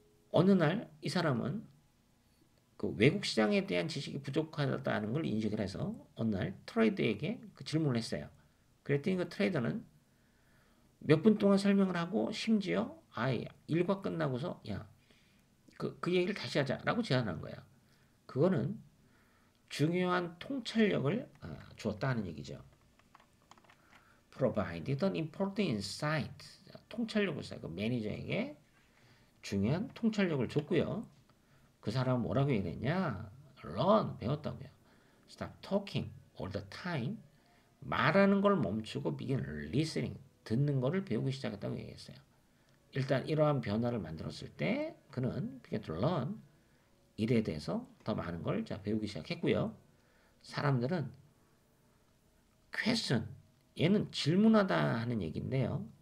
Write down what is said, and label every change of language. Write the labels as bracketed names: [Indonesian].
[Korean] 어느 날 이 사람은 그 외국 시장에 대한 지식이 부족하다는 걸 인식을 해서 어느 날 트레이더에게 그 질문을 했어요. 그랬더니 그 트레이더는 몇 분 동안 설명을 하고 심지어 아예 일과 끝나고서 야, 그 얘기를 다시 하자라고 제안한 거예요. 그거는 중요한 통찰력을 주었다는 얘기죠. [English] Provided an important insight. [Korean] 통찰력을 써요. 그 매니저에게 중요한 통찰력을 줬고요. 그 사람은 뭐라고 얘기했냐? Learn, 배웠다고요. [English] Stop talking all the time. [Korean] 말하는 걸 멈추고 [English] begin listening, [Korean] 듣는 걸 배우기 시작했다고 얘기했어요. 일단 이러한 변화를 만들었을 때 그는 [English] begin to learn, [Korean] 일에 대해서 더 많은 걸 배우기 시작했고요. 사람들은 question, 얘는 질문하다 하는 얘기인데요.